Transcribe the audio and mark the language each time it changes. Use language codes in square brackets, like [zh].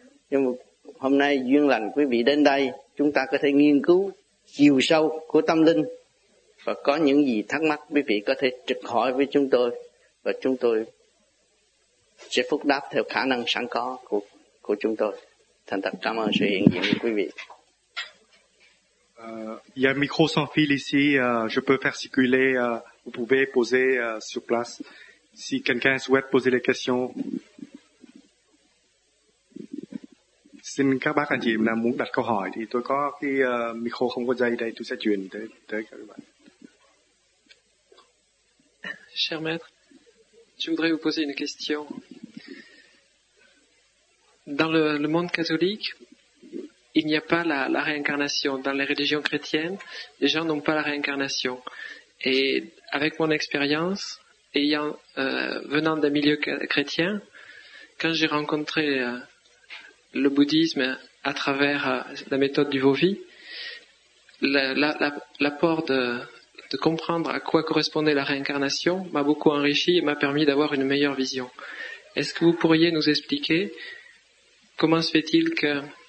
[vi] Nhưng mà hôm nay duyên lành quý vị đến đây, chúng ta có thể nghiên cứu chiều sâu của tâm linh. Và có những gì thắc mắc, quý vị có thể trực hỏi với chúng tôi, và chúng tôi sẽ phúc đáp theo khả năng sẵn có của chúng tôi. Thành thật cảm ơn sự hiện diện của quý vị. [fr] Il y a un micro sans fil ici, je peux faire circuler, vous pouvez poser sur place si quelqu'un souhaite poser des questions. [vi] Xin các bác anh chị nào muốn đặt câu hỏi thì tôi có cái micro không có dây đây, tôi sẽ truyền tới các bạn. [fr] Cher maître, je voudrais vous poser une question. Dans le monde catholique, il n'y a pas la réincarnation. Dans les religions chrétiennes, les gens n'ont pas la réincarnation. Et avec mon expérience, venant d'un milieu chrétien, quand j'ai rencontré le bouddhisme à travers la méthode du Vovi, l'apport de comprendre à quoi correspondait la réincarnation m'a beaucoup enrichi et m'a permis d'avoir une meilleure vision. Est-ce que vous pourriez nous expliquer comment se fait-il que